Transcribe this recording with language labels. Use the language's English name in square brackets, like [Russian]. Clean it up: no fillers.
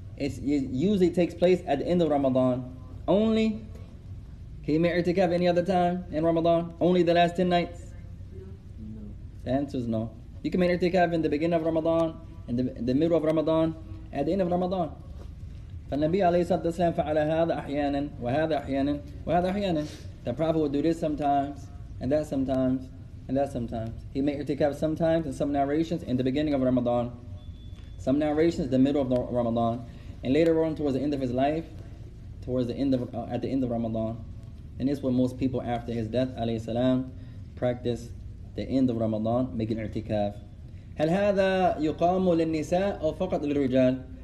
[English] It usually takes place at the end of Ramadan. Only? Can you make irtikaf any other time in Ramadan? Only the last 10 nights? No. The answer is no. You can make irtikaf in the beginning of Ramadan, in the middle of Ramadan, at the end of Ramadan. [Arabic] فالنبي عليه الصلاة والسلام فعل هذا أحياناً وهذا أحياناً وهذا أحياناً. [English] The Prophet would do this sometimes, and that sometimes, and that sometimes. He made irtikaf sometimes in some narrations in the beginning of Ramadan. Some narrations the middle of the Ramadan. And later on towards the end of his life, towards the end of at the end of Ramadan. And it's what most people after his death, alayhi salam, practice the end of Ramadan, making irtikaf. [Arabic] هل هذا يقام للنساء أو فقط للرجال?